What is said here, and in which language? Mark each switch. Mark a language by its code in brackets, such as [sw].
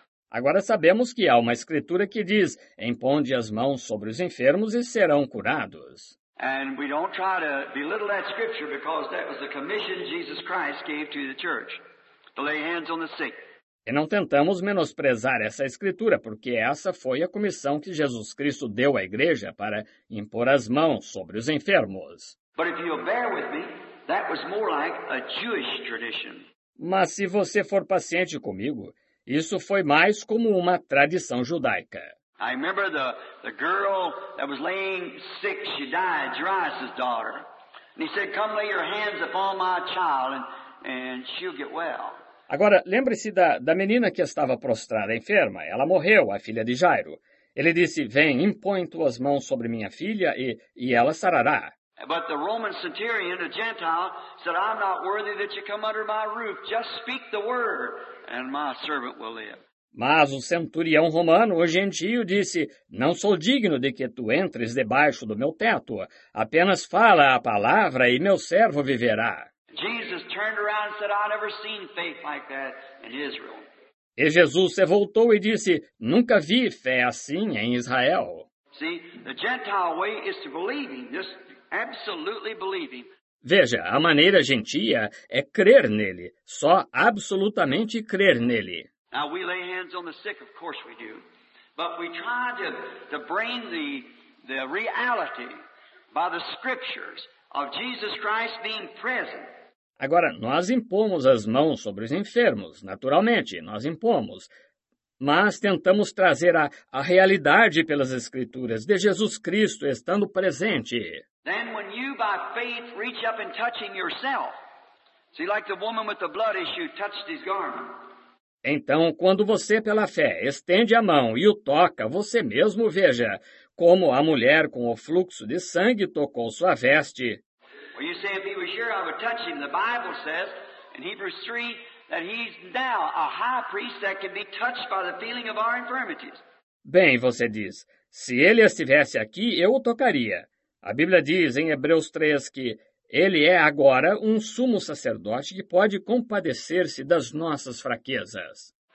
[pt] Agora sabemos que há uma escritura que diz, impõe as mãos sobre os enfermos e serão curados. [en] And we don't try to belittle that scripture because that was the commission Jesus Christ gave to the church, to lay hands on the sick. [pt] E não tentamos menosprezar essa escritura, porque essa foi a comissão que Jesus Cristo deu à igreja para impor as mãos sobre os enfermos. [en] But if you'll bear with me, that was more like a Jewish tradition. [pt] Mas se você for paciente comigo, isso foi mais como uma tradição judaica. [en] I remember the girl that was laying sick, she died, Jairus's daughter. And he said, come lay your hands upon my child and she'll get well. [pt] Agora, lembre-se da menina que estava prostrada, enferma. Ela morreu, a filha de Jairo. Ele disse, vem, impõe tuas mãos sobre minha filha e ela sarará. [en] But the Roman centurion, a Gentile, said, I'm not worthy that you come under my roof. Just speak the word, and my servant will live. [pt] Mas o centurião romano, o gentio, disse, não sou digno de que tu entres debaixo do meu teto. Apenas fala a palavra e meu servo viverá. [en] Jesus turned around and said, I've never seen faith like that in Israel. [pt] E Jesus se voltou e disse, nunca vi fé assim em Israel. [en] See, the Gentile way is to believing, just absolutely believing. [pt] Veja, a maneira gentia é crer nele, só absolutamente crer nele. [en] Now we lay hands on the sick, of course we do. But we try to bring the reality by the scriptures of Jesus Christ being present. [pt] Agora, nós impomos as mãos sobre os enfermos, naturalmente, nós impomos. Mas tentamos trazer a realidade pelas Escrituras de Jesus Cristo estando presente. [en] Then when you by faith reach up and touching yourself, see like the woman with the blood issue touched his garment. [pt] Então, quando você, pela fé, estende a mão e o toca, você mesmo veja como a mulher com o fluxo de sangue tocou sua veste. [en] Well, you say, if he was here, I would touch him. The Bible says, in Hebrews 3, that he's now a high priest that can be touched by the feeling of our infirmities. [pt] Bem, você diz, se ele estivesse aqui, eu o tocaria. A Bíblia diz, em Hebreus 3, que ele é agora um sumo sacerdote que pode compadecer-se das nossas fraquezas.